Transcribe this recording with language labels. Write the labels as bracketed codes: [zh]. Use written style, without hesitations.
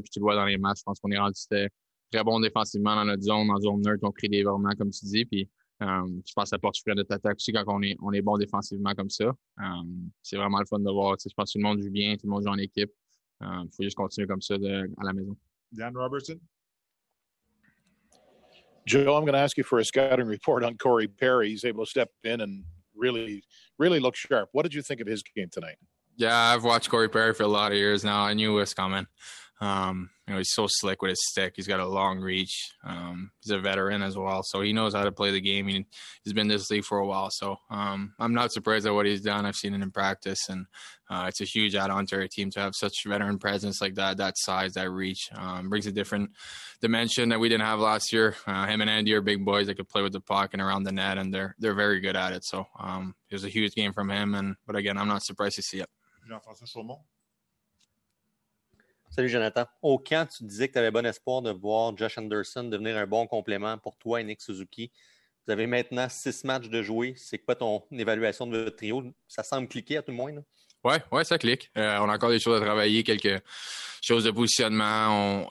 [fr] Puis tu le vois dans les matchs, je pense qu'on est rendu très bon défensivement dans notre zone, en zone neutre, on crée des revirements, comme tu dis, puis je pense que ça porte frais notre attaque aussi quand on est bon défensivement comme ça. C'est vraiment le fun de voir. Tu sais, je pense que tout le monde joue bien, tout le monde joue en équipe. Il faut juste continuer comme ça à la maison. [en] Dan Robertson. Joe, I'm going to ask you for a scouting report on Corey Perry. He's able to step in and really, really look sharp. What did you think of his game tonight? Yeah, I've watched Corey Perry for a lot of years now. I knew it was coming. You know, he's so slick with his stick. He's got a long reach. He's a veteran as well, so he knows how to play the game. He's been in this league for a while, so I'm not surprised at what he's done. I've seen it in practice, and it's a huge add-on to our team to have such veteran presence like that, that size, that reach. Brings a different dimension that we didn't have last year. Him and Andy are big boys that could play with the puck and around the net, and they're very good at it. So it was a huge game from him, but again, I'm not surprised to see it. [fr] Jean-François Chaumont. Salut Jonathan. Au camp, tu disais que tu avais bon espoir de voir Josh Anderson devenir un bon complément pour toi et Nick Suzuki. Vous avez maintenant 6 matchs de jouer. C'est quoi ton évaluation de votre trio? Ça semble cliquer à tout le moins. Ouais, ça clique. On a encore des choses à travailler, quelques choses de positionnement.